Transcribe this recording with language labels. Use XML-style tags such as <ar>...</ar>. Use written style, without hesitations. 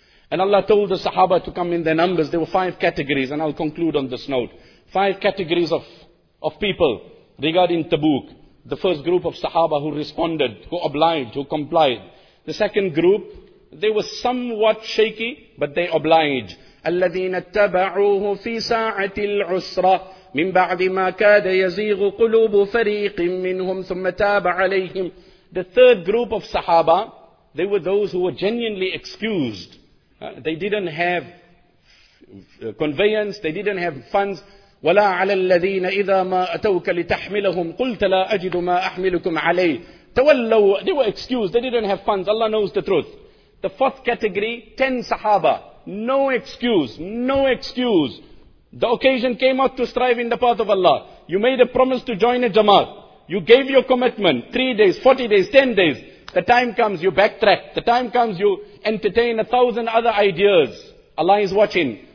<en>And Allah told the Sahaba to come in their numbers. There were five categories, and I'll conclude on this note. Five categories of people regarding Tabuk. The first group of Sahaba who responded, who obliged, who complied. The second group, they were somewhat shaky, but they obliged.</en> <ar>الَّذِينَ اتَّبَعُوهُ فِي سَاعَةِ الْعُسْرَةِ مِنْ بَعْدِ مَا كَادَ يَزِيغُ قُلُوبُ فَرِيقٍ مِّنْهُمْ ثُمَّ تَابَ عَلَيْهِمْ</ar> <en>The third group of Sahaba, they were those who were genuinely excused. They didn't have conveyance, they didn't have funds.</en> <ar>وَلَا عَلَى الَّذِينَ إِذَا مَا أَتَوْكَ لِتَحْمِلَهُمْ قُلْتَ لَا أَجِدُ مَا أَحْمِلُكُمْ عَلَيْهِ تَوَلَّوا</ar> <en>They were excused, they didn't have funds, Allah knows the truth. The fourth category, 10 Sahaba, no excuse. The occasion came out to strive in the path of Allah. You made a promise to join a Jamaat. You gave your commitment, 3 days, 40 days, 10 days. The time comes, you backtrack. The time comes, you entertain 1,000 other ideas. Allah is watching.</en>